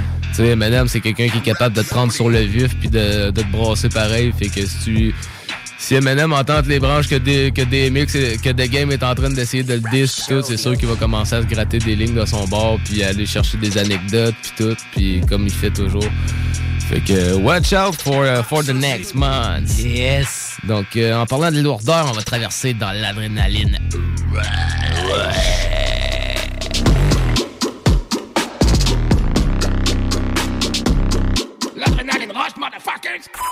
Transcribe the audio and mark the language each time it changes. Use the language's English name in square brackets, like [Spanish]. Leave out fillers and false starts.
[French] Tu sais, Eminem, c'est quelqu'un qui est capable de te prendre sur le vif puis de te brasser pareil, fait que si tu. Si Eminem entend les branches que The Game est en train d'essayer de le dish, tout, c'est sûr qu'il va commencer à se gratter des lignes de son bord, puis aller chercher des anecdotes, puis tout, puis comme il fait toujours. Fait que, [English] watch out for the next month. Yes. [French] Donc, en parlant de lourdeur, on va traverser dans l'adrénaline. Ouais. [English] L'adrénaline rush, motherfuckers!